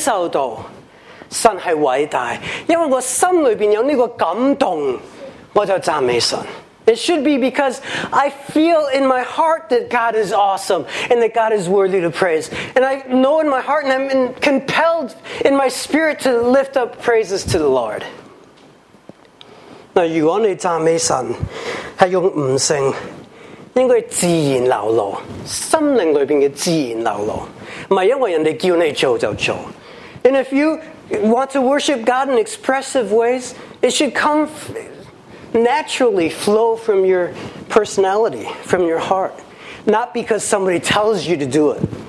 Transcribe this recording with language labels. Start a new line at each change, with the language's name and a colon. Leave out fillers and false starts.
Chinese: 是因为我心里边感受到神是伟大, 因为我心里边有这个感动, 我就赞美神。
English: It should be because I feel in my heart that God is awesome and that God is worthy to praise. And I know in my heart and I'm compelled in my spirit to lift up praises to the Lord.
Chinese: 那如果你赞美神是用悟性，应该自然流露，心灵里边的自然流露，不是因为人家叫你做就做。
English: And if you want to worship God in expressive ways, it should come naturally flow from your personality, from your heart, not because somebody tells you to do it.